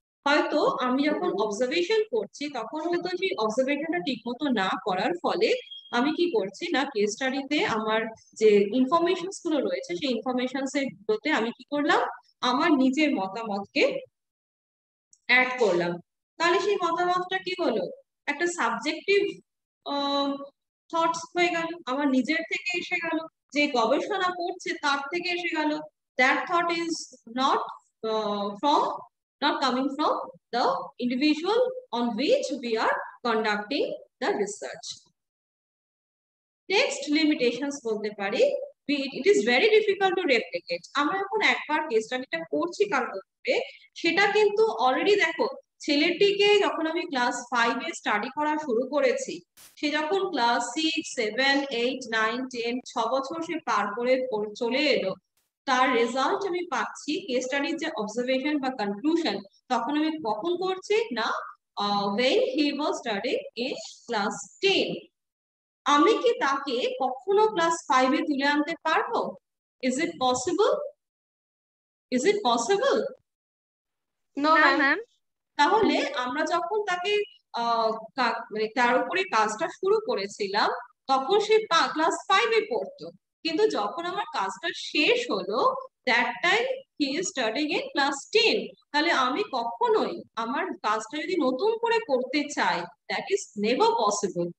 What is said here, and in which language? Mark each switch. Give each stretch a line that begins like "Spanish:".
Bangla: হয়তো আমি যখন অবজারভেশন করছি তখন হয়তো সেই অবজারভেশনটা ঠিক মতো না করার ফলে আমি কি করছি না কেস স্টাডিতে আমার যে ইনফরমেশন গুলো রয়েছে সেই ইনফরমেশন এর গুলোতে আমি কি করলাম আমার নিজের মতামতকে অ্যাড করলাম। তাহলে সেই মতামতটা কি হলো, একটা সাবজেক্টিভ থটস হয়ে গেল, আমার নিজের থেকে এসে গেল, যে গবেষণা করছে তার থেকে এসে গেল।
English: That thought is not from not coming from the individual on which we are conducting the research. Next limitations
Bangla: bolte pari,
English: it is very difficult to replicate.
Bangla: Amra ekhon ekbar case study ta korchi kal korbe seta kintu already dekho chele tike jokhon ami class 5 e study kora shuru korechi she jokhon class 6 7 8 9 10 6 bochhor she par kore chole elo তার result আমি পাচ্ছি case স্টাডির যে observation বা conclusion তখন আমি কখন করছি না
English: When he was study in class 10।
Bangla: আমি কি তাকে কখনো ক্লাস 5 এ তুলে আনতে পারবো?
English: Is it possible? Is it possible? No ma'am.
Bangla: তাহলে আমরা যখন তাকে মানে তার উপরে কাজটা শুরু করেছিলাম তখন সে ক্লাস 5 এ পড়তো, কিন্তু যখন আমার কাজটা শেষ হলো
English: that time he is starting in class 10,
Bangla: তাহলে আমি কখনোই আমার কাজটা যদি নতুন করে করতে চাই
English: That is never possible.